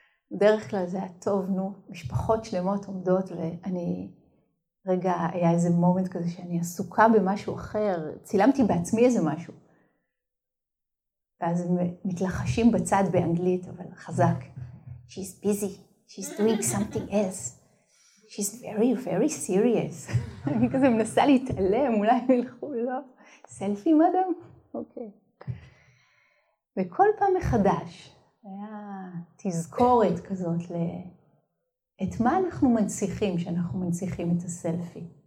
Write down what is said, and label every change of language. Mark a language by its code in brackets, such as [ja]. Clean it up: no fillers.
[he] בדרך כלל זה הטוב, נו, משפחות שלמות עומדות, ואני, רגע, היה איזה מומנט כזה שאני עסוקה במשהו אחר, צילמתי בעצמי איזה משהו. ואז הם מתלחשים בצד באנגלית, אבל חזק. [en] She's busy, she's doing something else. She's very, very serious. [he] אני כזה מנסה להתעלם, אולי הם ילכו, לא. [en] סלפי, מאדם? [he] אוקיי. וכל פעם מחדש, היה תזכורת כזאת את מה אנחנו מנציחים שאנחנו מנציחים את הסלפי.